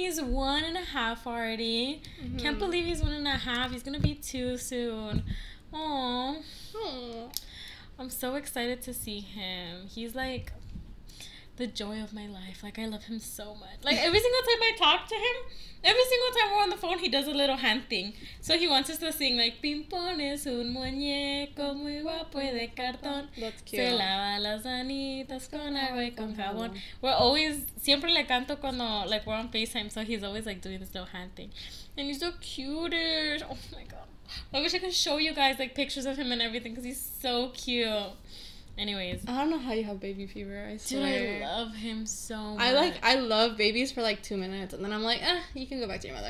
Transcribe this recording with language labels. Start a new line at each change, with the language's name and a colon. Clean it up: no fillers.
English: He's 1.5 already. Mm-hmm. Can't believe he's 1.5. He's gonna be 2 soon. Aww. I'm so excited to see him. He's like the joy of my life. Like, I love him so much. Like, every single time I talk to him, every single time we're on the phone, he does a little hand thing. So he wants us to sing, like,
Spanish: Pimpones un muñeco muy guapo y de cartón.
English: That's cute.
Spanish: Se lava las anitas con agua y con jabón.
English: We're always,
Spanish: siempre le canto cuando,
English: like, we're on FaceTime. So he's always, like, doing this little hand thing. And he's so cute. Oh my God. I wish I could show you guys, like, pictures of him and everything because he's so cute. Anyways, I don't know how you have baby fever. I swear. Dude, I love him so much. I love babies for like 2 minutes, and then I'm like, you can go back to your mother.